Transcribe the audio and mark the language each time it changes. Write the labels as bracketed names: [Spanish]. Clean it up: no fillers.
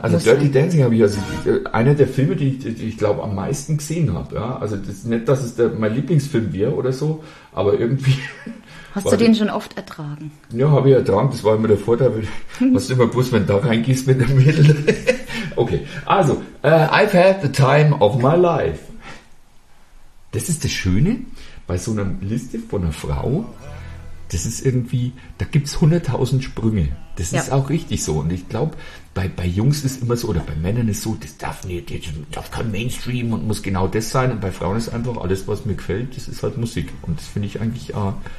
[German] Also Dirty Dancing habe ich, also einer der Filme, die ich glaube am meisten gesehen habe. Ja? Also das ist nicht, dass es mein Lieblingsfilm wäre oder so, aber irgendwie... Hast du den schon oft ertragen? Ja, habe ich ertragen. Das war immer der Vorteil. Hast du immer gewusst, wenn du da reingehst mit dem Mädel? [English] Okay, also, I've had the time of my life. [German] Das ist das Schöne bei so einer Liste von einer Frau. Das ist irgendwie, da gibt es 100.000 Sprünge. Das ist auch richtig so. Und ich glaube, bei Jungs ist immer so, oder bei Männern ist so, das darf nicht, das darf kein Mainstream und muss genau das sein. Und bei Frauen ist einfach alles, was mir gefällt, das ist halt Musik. Und das finde ich eigentlich auch...